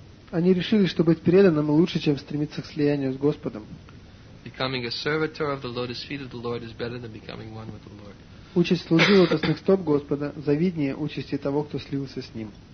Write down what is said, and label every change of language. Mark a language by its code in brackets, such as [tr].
[ru] Они решили, что быть преданным лучше, чем стремиться к слиянию с Господом. [en] Becoming a servitor of the lotus feet of the Lord is better than becoming one with the Lord. [ru] Участь служить лотосных стоп Господа завиднее участи того, кто слился с Ним.